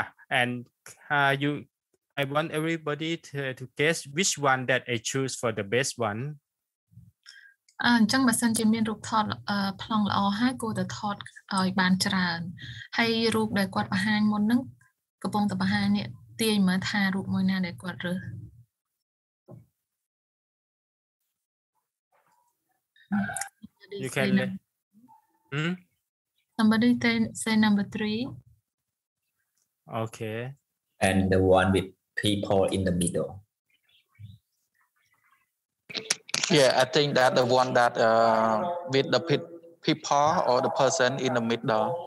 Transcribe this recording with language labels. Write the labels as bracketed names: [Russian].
[English] I want everybody to guess which one that I choose for the best one. [Khmer] ចឹងបើសិនជាមានរូបថតប្លង់ល្អហើយគួរតែថតឲ្យបានច្រើនហើយរូបដែលគាត់បង្ហាញមុនហ្នឹងកំពុងតែបង្ហាញនេះទាយមើលថារូបមួយណាដែលគាត់រើស [English] Somebody say number 3. Okay. And the one with people in the middle. Yeah, I think that the one that with the people or the person in the middle.